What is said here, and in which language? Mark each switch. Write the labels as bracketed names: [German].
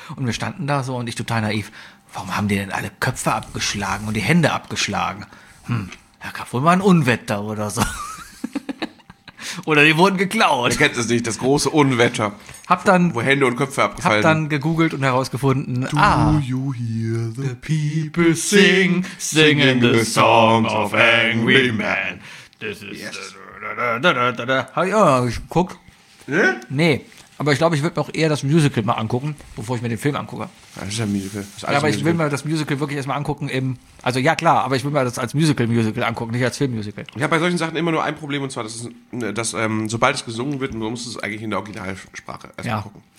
[German] Und wir standen da so und ich total naiv, warum haben die denn alle Köpfe abgeschlagen und die Hände abgeschlagen? Da gab wohl mal ein Unwetter oder so. Oder die wurden geklaut. Ihr kennt es nicht, das große Unwetter. Hab dann, wo Hände und Köpfe abgefallen. Hab dann gegoogelt und herausgefunden, [English] do you hear the people sing, singing the song of angry men? This is... Yes. [German] Hab ich auch mal geguckt. Nee, aber ich glaube, ich würde mir auch eher das Musical mal angucken, bevor ich mir den Film angucke. Das ist ein Musical. Ja, aber Musical. Ich will mir das Musical wirklich erstmal angucken im... Also ja, klar, aber ich will mir das als Musical-Musical angucken, nicht als Film-Musical. Ich habe bei solchen Sachen immer nur ein Problem, und zwar, dass sobald es gesungen wird, musst du es eigentlich in der Originalsprache erstmal, ja, gucken.